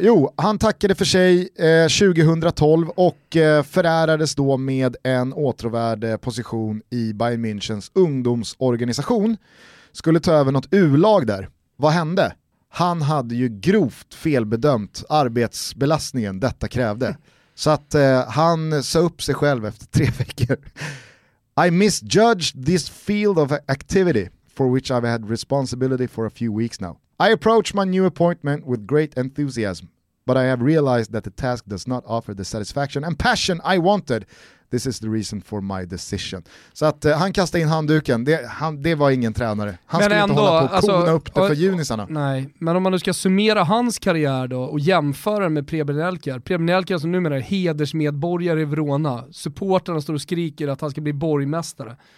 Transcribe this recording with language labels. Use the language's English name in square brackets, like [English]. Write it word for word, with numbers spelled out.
[Swedish] Jo, han tackade för sig eh, tjugotolv och eh, förärades då med en åtråvärd position i Bayern Münchens ungdomsorganisation. Skulle ta över något U-lag där. Vad hände? Han hade ju grovt felbedömt arbetsbelastningen detta krävde. Så att eh, han sa upp sig själv efter tre veckor. [English] I misjudged this field of activity for which I've had responsibility for a few weeks now. I approach my new appointment with great enthusiasm, but I have realized that the task does not offer the satisfaction and passion I wanted. This is the reason for my decision. [Swedish] Så att eh, han kastade in handduken. Det, han, det var ingen tränare. Han men skulle ändå, inte hålla på att kona alltså, upp det för och, junisarna. Nej, men om man nu ska summera hans karriär då och jämföra med Preben Elkjær. Preben Elkjær som numera är hedersmedborgare i Vrona. Supportarna står och skriker att han ska bli borgmästare.